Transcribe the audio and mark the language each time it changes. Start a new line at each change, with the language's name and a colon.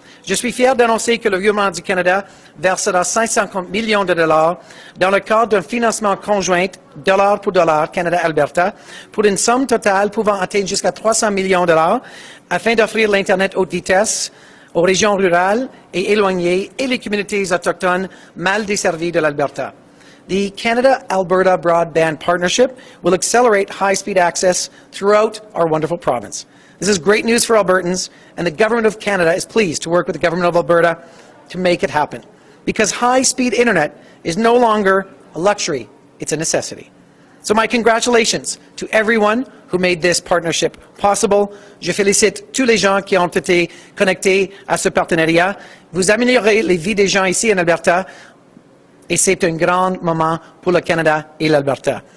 French: Je suis fier d'annoncer que le gouvernement du Canada versera 550 millions de dollars dans le cadre d'un financement conjoint dollar pour dollar Canada-Alberta pour une somme totale pouvant atteindre jusqu'à 300 millions de dollars afin d'offrir l'Internet haute vitesse aux régions rurales et éloignées et les communautés autochtones mal desservies de l'Alberta.
English: The Canada-Alberta Broadband Partnership will accelerate high-speed access throughout our wonderful province. This is great news for Albertans, and the Government of Canada is pleased to work with the Government of Alberta to make it happen. Because high-speed internet is no longer a luxury, it's a necessity. So my congratulations to everyone who made this partnership possible.
French: Je félicite tous les gens qui ont été connectés à ce partenariat. Vous améliorez les vies des gens ici en Alberta, et c'est un grand moment pour le Canada et l'Alberta.